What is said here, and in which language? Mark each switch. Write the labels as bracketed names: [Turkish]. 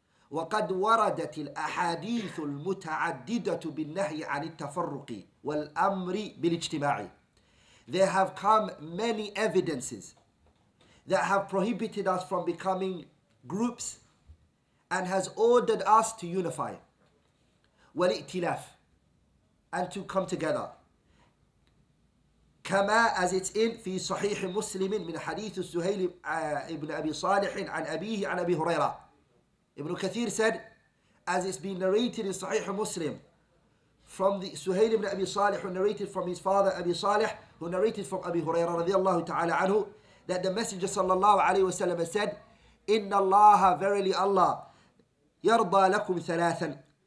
[Arabic] وقد وردت الأحاديث المتعددة بالنهي عن التفرق والأمر بالاجتماع. [English] There have come many evidences that have prohibited us from becoming groups and has ordered us to unify. [Arabic] والائتلاف [English] and to come together. [Arabic] كما [English] as it's in [Arabic] في صحيح مسلم من حديث سهيل ابن أبي صالح عن أبيه عن أبي هريرة. [English] Ibn Kathir said, as it's been narrated in Sahih Muslim, from the Suhail ibn Abi Salih, who narrated from his father Abi Salih, who narrated from Abi Huraira radiallahu ta'ala anhu, that the Messenger sallallahu alayhi wa sallam said, [Arabic] إِنَّ اللَّهَ [English] verily Allah [Arabic] يَرْضَى لَكُمْ ثَلَاثًا.